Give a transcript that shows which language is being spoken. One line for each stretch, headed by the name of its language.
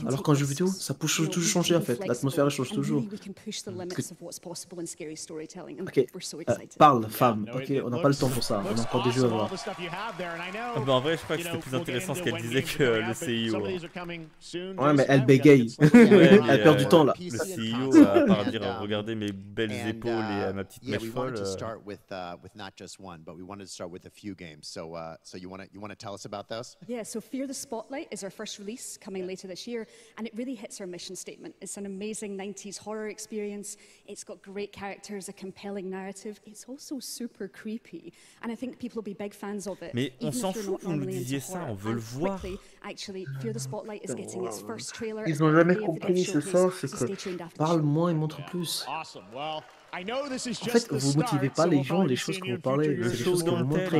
French: Alors qu'en jeu vidéo, ça peut toujours changer en fait. L'atmosphère change toujours. Ok, parle, femme. Ok, on n'a pas le temps pour ça. On a encore des jeux à voir. Ah ben en vrai, je crois que c'était plus intéressant ce qu'elle disait que le CEO. Ouais, mais elle bégaye. Ouais, elle perd du temps là. Le CEO, à part dire regardez mes belles épaules et ma petite mèche.
English: We wanted to start with not just one, but we wanted to start with a few games. So you want to tell us about those? Yeah. So Fear the Spotlight is our first release coming later this year, and it really hits our mission statement. It's an amazing 90s horror experience. It's got great characters, a compelling narrative. It's also super creepy, and I think people will be big fans of it.
French: Mais on s'en fout que vous nous disiez ça. On veut le voir.
English: Actually, Fear the Spotlight is getting its first trailer.
French: Ils n'ont jamais compris ce sens. Parle moins et montre plus.
English: Awesome. Well.
French: En fait, vous ne motivez pas les gens, les choses que vous parlez, c'est les choses que vous montrez.